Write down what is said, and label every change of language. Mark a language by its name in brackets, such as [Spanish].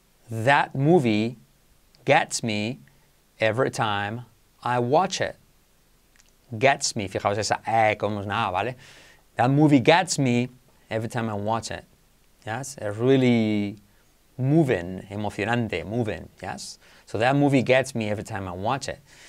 [English] That movie gets me every time I watch it. Gets me, [Spanish] fijaos esa, como es nada, ¿vale? [English] That movie gets me every time I watch it. Yes, it's really moving, emocionante, moving, yes? So that movie gets me every time I watch it.